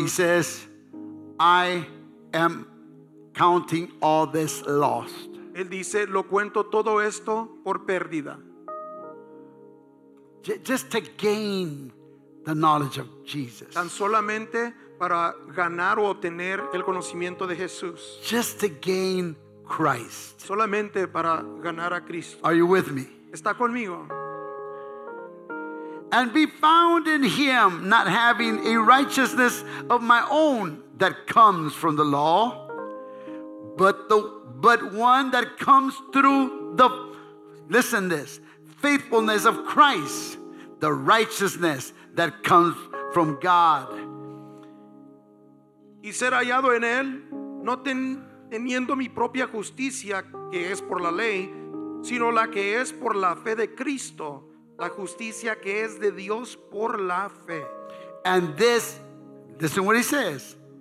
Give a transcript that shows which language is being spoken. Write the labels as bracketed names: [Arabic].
[English] He says, I am counting all this lost. [Spanish] Él dice, lo cuento todo esto por pérdida. [English] Just to gain the knowledge of Jesus. [Spanish] Tan solamente para ganar o obtener el conocimiento de Jesús. [English] Just to gain Christ. [Spanish] Solamente para ganar a Cristo. [English] Are you with me? [Spanish] Está conmigo. [English] And be found in him, not having a righteousness of my own that comes from the law, but one that comes through the, listen this, faithfulness of Christ, the righteousness that comes from God. [Spanish] Y ser hallado en él, no teniendo mi propia justicia, que es por la ley, sino la que es por la fe de Cristo, la justicia que es de Dios por la fe. [English] And this, listen what he says,